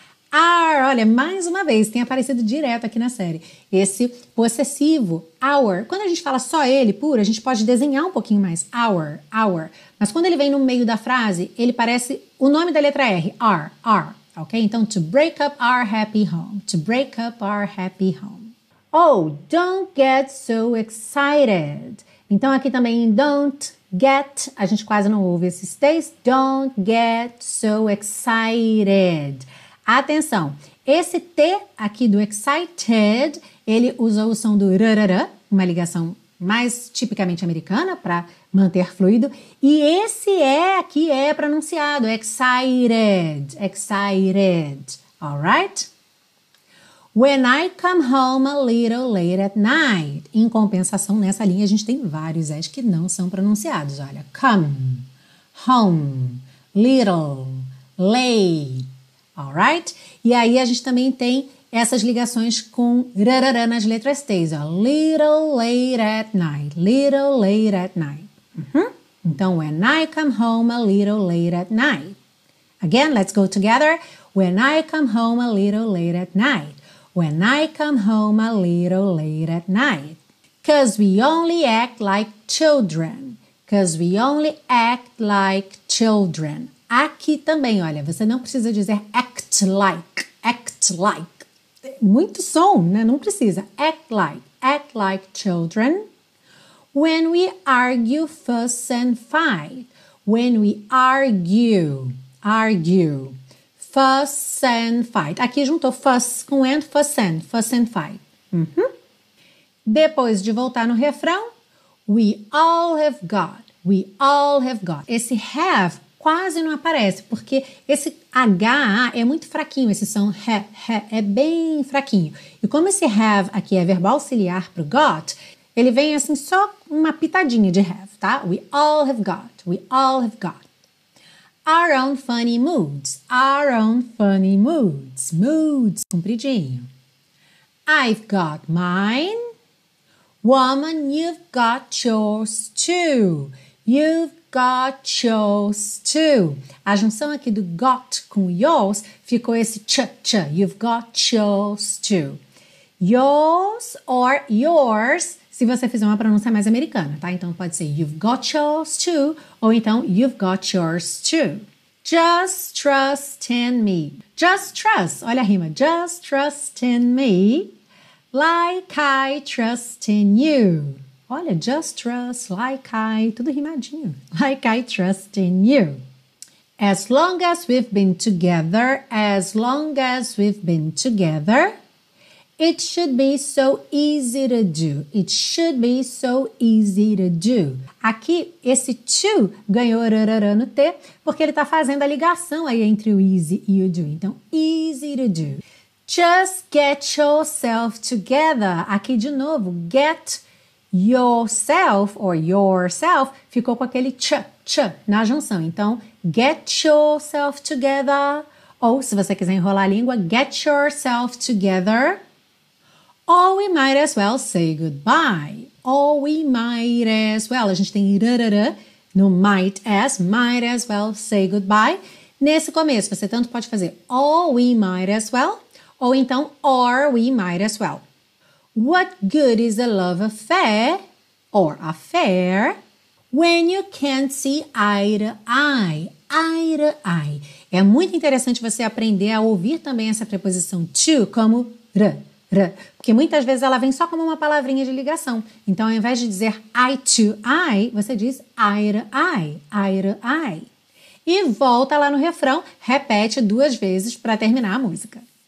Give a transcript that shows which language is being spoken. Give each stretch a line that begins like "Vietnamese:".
Portuguese: Our, olha, mais uma vez, tem aparecido direto aqui na série. Esse possessivo, our, quando a gente fala só ele, puro, a gente pode desenhar um pouquinho mais, our. Mas quando ele vem no meio da frase, ele parece o nome da letra R, R, Ok?
English: Então, to break up our happy home. To break up our happy home. Oh, don't get so excited.
Portuguese: Então, aqui também em
English: don't get,
Portuguese: a gente quase não ouve esses T's.
English: Don't get so excited.
Portuguese: Atenção, esse T aqui do excited, ele usou o som do rarara, uma ligação mais tipicamente americana para manter fluido. E esse E aqui é pronunciado,
English: excited, excited,
Portuguese: alright?
English: When I come home a little late at night.
Portuguese: Em compensação, nessa linha a gente tem vários S que não são pronunciados.
English: Olha, come, home, little, late, alright?
Portuguese: E aí a gente também tem essas ligações com rarará nas letras T's. Ó.
English: Little late at night, little late at night. Uh-huh. Então, when I come home a little late at night. Again, let's go together. When I come home a little late at night. When I come home a little late at night. Cause we only act like children. Cause we only act like children.
Portuguese: Aqui também, olha, você não precisa dizer
English: act like, act like.
Portuguese: Muito som, né? Não precisa.
English: Act like children. When we argue, fuss and fight. When we argue, argue. Fuss and fight.
Portuguese: Aqui juntou
English: fuss com and, fuss and. Fuss and fight. Uhum.
Portuguese: Depois de voltar no refrão,
English: we all have got. We all have got.
Portuguese: Esse have quase não aparece, porque esse H é muito fraquinho, esse som ha, é bem fraquinho. E como esse have aqui é verbo auxiliar para o got, ele vem assim só uma pitadinha de have, tá?
English: We all have got. We all have got. Our own funny moods. Our own funny moods. Moods. Compridinho. I've got mine. Woman, you've got yours too. You've got yours too.
Portuguese: A junção aqui do got com yours ficou esse ch-ch.
English: You've got yours too. Yours or yours,
Portuguese: se você fizer uma pronúncia mais americana, tá? Então pode ser you've got yours too, ou então you've got yours too.
English: Just trust in me. Just trust.
Portuguese: Olha a rima.
English: Just trust in me. Like I trust in you. Olha, just trust, like I.
Portuguese: Tudo rimadinho.
English: Like I trust in you. As long as we've been together. As long as we've been together. It should be so easy to do. It should be so easy to do.
Portuguese: Aqui, esse to ganhou rarará no T, porque ele está fazendo a ligação aí entre o easy e o do.
English: Então, easy to do. Just get yourself together.
Portuguese: Aqui, de novo,
English: get yourself or yourself
Portuguese: ficou com aquele ch, ch na junção. Então,
English: get yourself together.
Portuguese: Ou, se você quiser enrolar a língua, get yourself together.
English: Or we might as well say goodbye. Or we might as well.
Portuguese: A gente tem rarará no
English: might as well say goodbye.
Portuguese: Nesse começo, você tanto pode fazer
English: or we might as well.
Portuguese: Ou então,
English: or we might as well. What good is a love affair or affair when you can't see eye to eye? Eye to eye.
Portuguese: É muito interessante você aprender a ouvir também essa preposição to como r. Porque muitas vezes ela vem só como uma palavrinha de ligação. Então, ao invés de dizer eye to eye, você diz
English: eye to eye, eye to eye.
Portuguese: E volta lá no refrão, repete duas vezes para terminar a música.